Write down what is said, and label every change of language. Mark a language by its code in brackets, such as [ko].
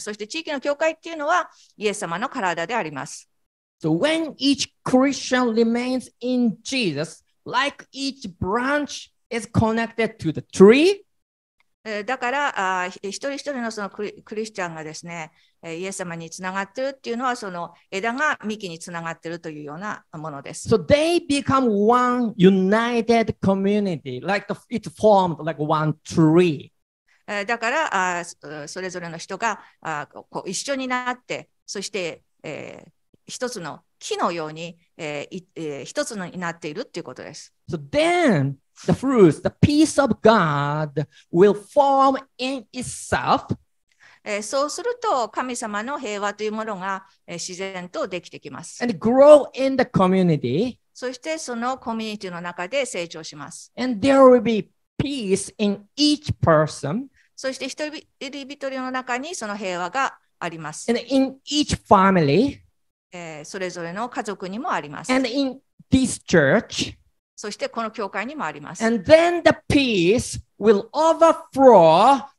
[ja] そして地域の教会っていうのはイエス様の体であります。 [en] So when each Christian remains in Jesus, like each branch is connected to the tree. [ja] だから一人一人のそのクリスチャンがですね、イエス様につながっているっていうのは、その枝が幹につながっているというようなものです。 [en] So they become one united community, like it's formed like one tree. [ja] だから、それぞれの人が一緒になって、そして、一つの木のように、一つになっているっていうことです。 [en] So then the fruits, the peace of God will form in itself. [ja] そうすると神様の平和というものが自然とできてきます。 [en] And grow in the community. [ja] そしてそのコミュニティの中で成長します。 [en] And there will be peace in each person. [ja] そして一人一人の中にその平和があります。 [en] And in each family. [ja] それぞれの家族にもあります。 [en] And in this church. [ja] そしてこの教会にもあります。 [en] And then the peace will overflow.